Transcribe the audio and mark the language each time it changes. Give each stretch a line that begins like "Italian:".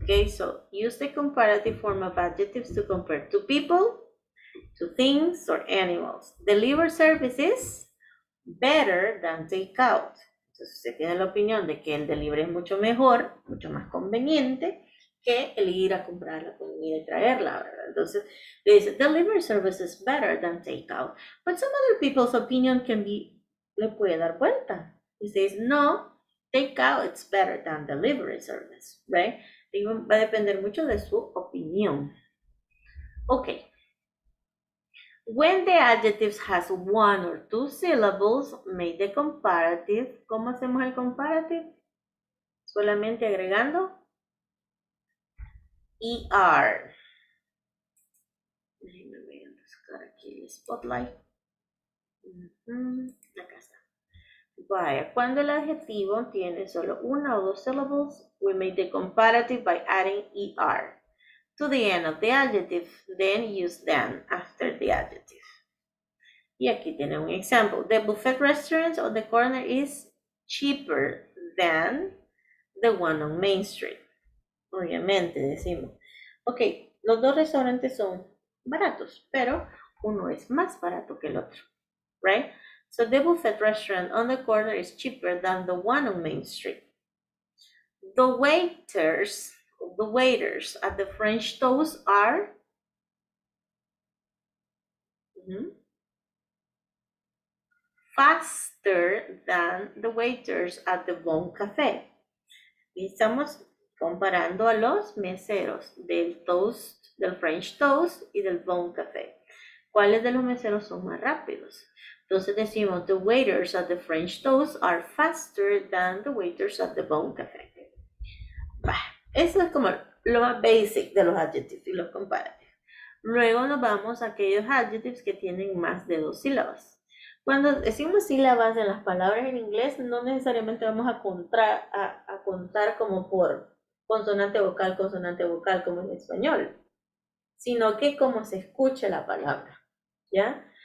English: Okay, so use the comparative form of adjectives to compare to people, to things, or animals. Deliver services better than take out.
Spanish: Entonces, usted tiene la opinión de que el delivery es mucho mejor, mucho más conveniente que el ir a comprar la comida y traerla, ¿verdad?
English: Entonces, they say, deliver services better than take out. But some other people's opinion can be,
Spanish: le puede dar vuelta.
English: He says, no. Take out, it's better than delivery service, right?
Spanish: Y va a depender mucho de su opinión.
English: Okay. When the adjective has one or two syllables, make the comparative.
Spanish: ¿Cómo hacemos el comparative? Solamente agregando ER. Déjenme buscar aquí el spotlight. Acá está. Vaya, cuando el adjetivo tiene solo una o dos
English: syllables, we make the comparative by adding ER to the end of the adjective, then use them after the adjective.
Spanish: Y aquí tiene un example.
English: The buffet restaurant on the corner is cheaper than the one on Main Street.
Spanish: Obviamente, decimos. Ok, los dos restaurantes son baratos, pero uno es más barato que el otro, right?
English: So the buffet restaurant on the corner is cheaper than the one on Main Street. The waiters at the French Toast are. Faster than the waiters at the Bon Café.
Spanish: Y estamos comparando a los meseros del French Toast y del Bon Café. ¿Cuáles de los meseros son más rápidos? Entonces decimos,
English: the waiters at the French Toast are faster than the waiters at the Bon Café.
Spanish: Bah, eso es como lo más basic de los adjetivos y los comparativos. Luego nos vamos a aquellos adjetivos que tienen más de dos sílabas. Cuando decimos sílabas en las palabras en inglés, no necesariamente vamos a contar como por consonante, vocal, como en español, sino que como se escuche la palabra, ¿ya?